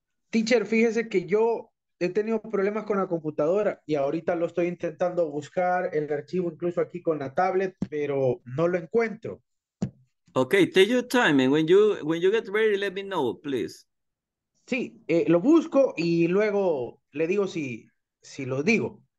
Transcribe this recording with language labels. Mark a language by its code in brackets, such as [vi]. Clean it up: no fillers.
[es] Teacher, fíjese que yo he tenido problemas con la computadora y ahorita lo estoy intentando buscar el archivo incluso aquí con la tablet, pero no lo encuentro. [en] Okay, take your time and when you get ready, let me know, please. [es] Sí, lo busco y luego le digo si lo digo.